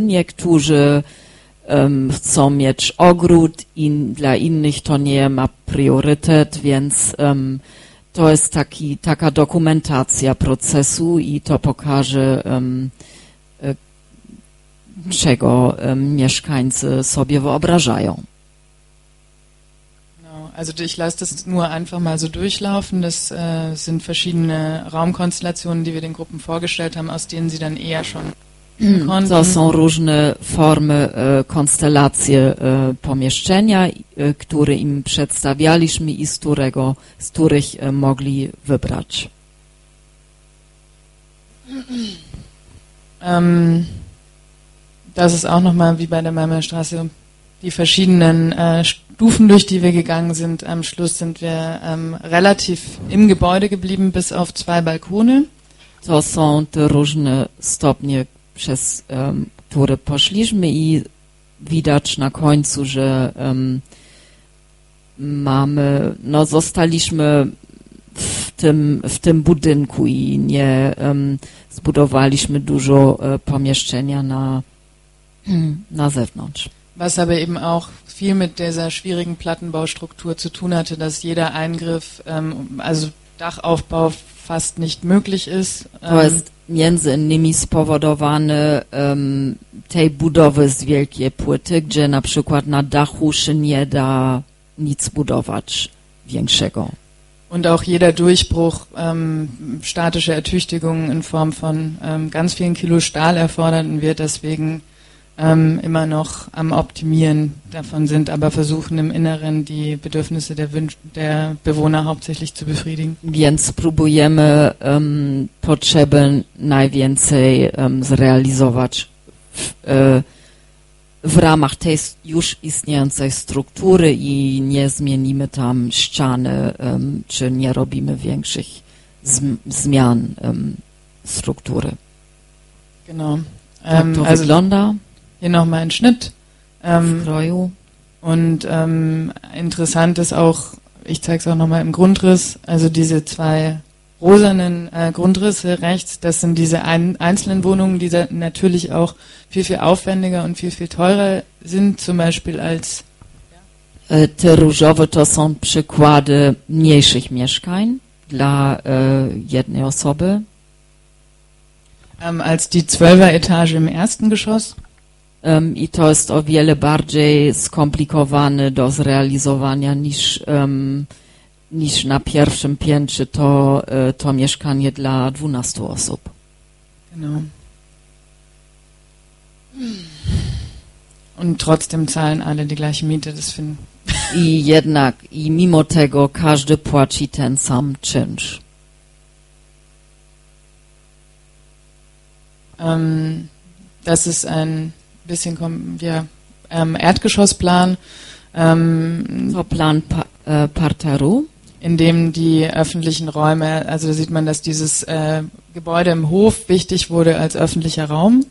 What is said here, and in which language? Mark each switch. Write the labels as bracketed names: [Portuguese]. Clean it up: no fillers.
[Polish] Niektórzy chcą mieć ogród, dla innych to nie ma priorytet, więc to jest taka dokumentacja procesu i to pokaże, czego mieszkańcy sobie wyobrażają. [German] Also ich lasse das nur einfach mal so durchlaufen. Das sind verschiedene Raumkonstellationen, die wir den Gruppen vorgestellt haben, aus denen sie dann eher schon konnten. [Polish] To są różne formy, konstelacje pomieszczenia, które im przedstawialiśmy i z których mogli wybrać. [German] Das ist auch nochmal wie bei der Marmorstraße, die verschiedenen Stufen, durch die wir gegangen sind. Am Schluss sind wir relativ im Gebäude geblieben, bis auf zwei Balkone. [Polish] To są te różne stopnie, przez które poszliśmy i widać na końcu, że mamy, no zostaliśmy w tym budynku i nie zbudowaliśmy dużo pomieszczenia na zewnątrz. [German] Was aber eben auch viel mit dieser schwierigen Plattenbaustruktur zu tun hatte, dass jeder Eingriff, also Dachaufbau fast nicht möglich ist. [Polish] To jest między innymi spowodowane tej budowy z wielkiej płyty, gdzie na przykład na dachu się nie da nic budować większego. [German] Und auch jeder Durchbruch, statische Ertüchtigung in Form von ganz vielen Kilo Stahl erfordert und wir deswegen immer noch am Optimieren davon sind, aber versuchen im Inneren die Bedürfnisse der Bewohner hauptsächlich zu befriedigen. [Polish] Więc próbujemy potrzeby najwięcej zrealizować w ramach tej już istniejącej struktury i nie zmienimy tam ściany, czy nie robimy większych zmian struktury. [German] Genau. [Polish] Tak to wygląda. [German] Hier nochmal ein Schnitt. [Polish] Kroju. [German] Und interessant ist auch, ich zeige es auch nochmal im Grundriss, also diese zwei rosanen Grundrisse rechts, das sind diese einzelnen Wohnungen, die natürlich auch viel, viel aufwendiger und viel, viel teurer sind, zum Beispiel als... [Polish] Te różowe to są przykłady mniejszych mieszkań dla jednej osoby. [German] Als die 12er Etage im ersten Geschoss. [Polish] I to jest o wiele bardziej skomplikowane do zrealizowania niż na pierwszym piętrze to mieszkanie dla 12 osób. [German] Genau. Und trotzdem zahlen alle die gleiche Miete, das finde ich. [Polish] I jednak, i mimo tego każdy płaci ten sam czynsz. [German] Das ist ein bisschen Erdgeschossplan. [Polish] So Plan Parterru. [German] In dem die öffentlichen Räume, also da sieht man, dass dieses Gebäude im Hof wichtig wurde als öffentlicher Raum.